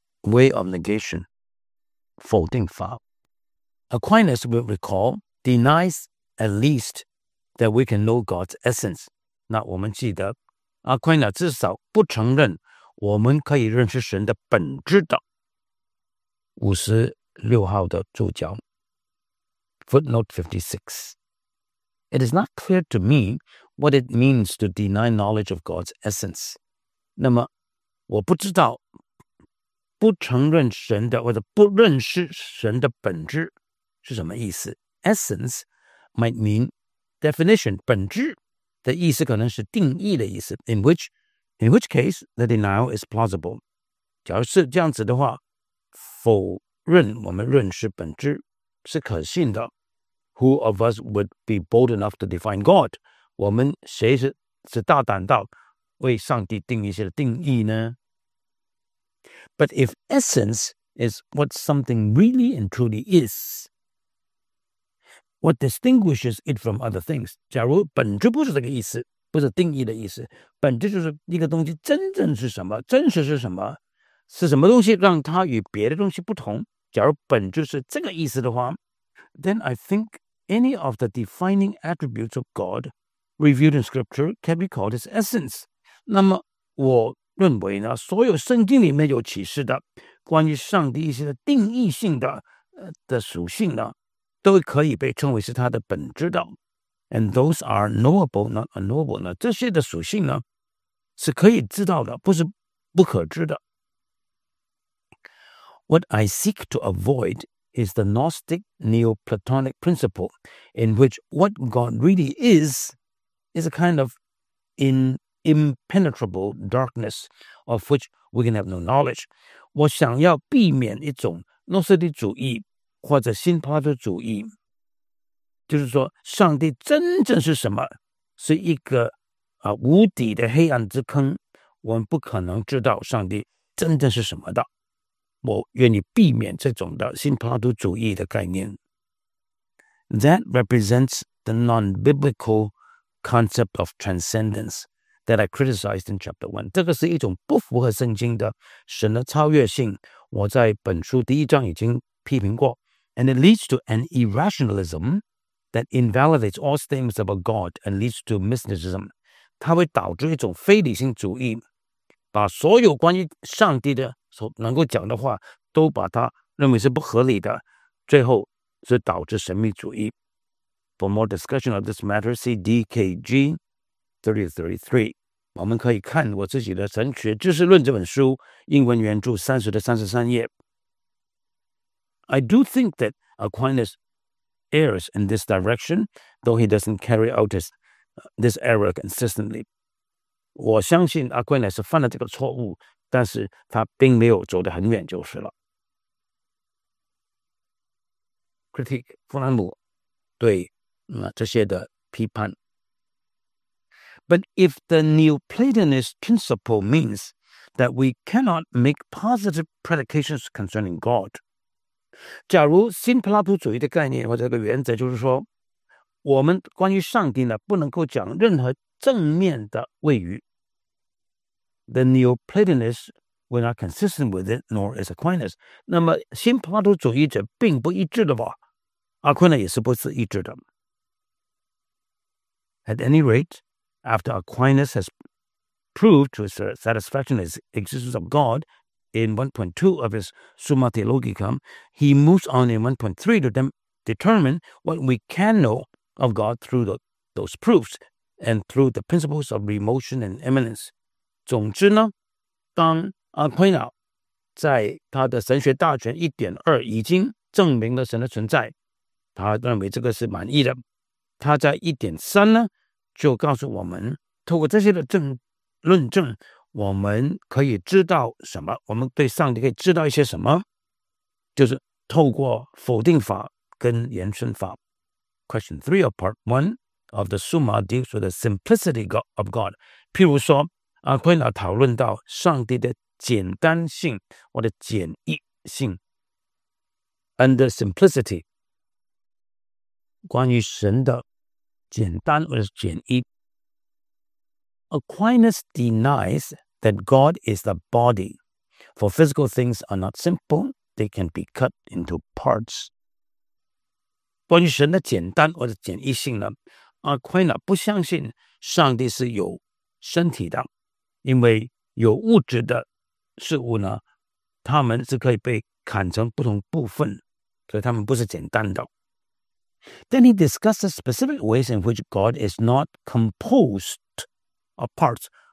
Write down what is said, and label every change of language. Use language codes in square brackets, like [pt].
[en] Way of negation 否定法 Aquinas will recall denies at least that we can know God's essence [zh] 那我们记得 Aquinas 至少不承认我们可以认识神的本质的五十六号的注脚 [en] Footnote 56 It is not clear to me what it means to deny knowledge of God's essence. [zh] 那么我不知道，不承认神的，或者不认识神的本质是什么意思。 [en] Essence might mean definition, [zh] 本质的意思可能是定义的意思。 [en] In which case, the denial is plausible. [zh] 假如是这样子的话，否认我们认识本质是可信的。 [en] Who of us would be bold enough to define God? [zh] 我们谁 是大胆到为上帝定一些定义呢？ [en] But if essence is what something really and truly is, what distinguishes it from other things? [zh] 假如本质不是这个意思，不是定义的意思，本质就是一个东西真正是什么，真实是什么，是什么东西让它与别的东西不同？假如本质是这个意思的话， [en] then I think any of the defining attributes of God revealed in Scripture can be called his essence. [zh] 那么我认为呢，所有圣经里面有启示的关于上帝一些的定义性 的属性呢，都可以被称为是他的本质的。 [en] And those are knowable, not unknowable. [zh] 呢，这些的属性呢是可以知道的，不是不可知的。 [en] What I seek to avoid is the Gnostic Neoplatonic principle in which what God really is a kind of impenetrable darkness of which we can have no knowledge. [zh] 我想要避免一种诺斯底主义或者新帕特主义，就是说上帝真正是什么，是一个无底的黑暗之坑，我们不可能知道上帝真正是什么的。我愿意避免这种的新帕特主义的概念。 [en] That represents the non-biblical concept of transcendenceThat I criticized in chapter 1. [zh] 这个是一种不符合圣经的神的超越性，我在本书第一章已经批评过。 [en] And it leads to an irrationalism that invalidates all statements about God and leads to mysticism. [zh] 它会导致一种非理性主义，把所有关于上帝的所能够讲的话都把它认为是不合理的，最后是导致神秘主义。 [en] For more discussion of this matter, see DKG 3033， [zh] 我们可以看我自己的《神学知识论》这本书，英文原著30-33页。 [en] I do think that Aquinas errs in this direction, though he doesn't carry out this error consistently. [zh] 我相信 Aquinas 犯了这个错误，但是他并没有走得很远就是了。 Critique 弗兰姆对这些的批判。 [en] But if the Neoplatonist principle means that we cannot make positive predications concerning God, [zh] 假如新柏拉图主义的概念或者这个原则就是说，我们关于上帝呢不能够讲任何正面的谓语， [en] the Neoplatonist were not consistent with it, nor is Aquinas. [zh] 那么新柏拉图主义者并不一致的吧？阿奎那也是不是一致的。 [en] At any rate,After Aquinas has proved to his satisfaction the existence of God in 1.2 of his Summa Theologica, he moves on in 1.3 to determine what we can know of God through those proofs and through the principles of remotion and immanence. [zh] 总之呢，当 Aquinas 在他的神学大全 1.2 已经证明了神的存在，他认为这个是满意的。他在 1.3 呢就告诉我们，透过这些的论证，我们可以知道什么，我们对上帝可以知道一些什么，就是透过否定法跟延伸法。 [en] Question 3 of part 1 of the Summa deals with the simplicity of God. [zh] 譬如说阿奎那讨论到上帝的简单性或者简易性。 [en] Under simplicity, [zh] 关于神的简单或者简易。 [en] Aquinas denies that God is the body, for physical things are not simple, they can be cut into parts. [zh] 关于神的简单或者简易性呢， Aquinas 不相信上帝是有身体的，因为有物质的事物呢，他们是可以被砍成不同部分，所以他们不是简单的。 [en] Then he discusses specific ways in which God is not composed of parts.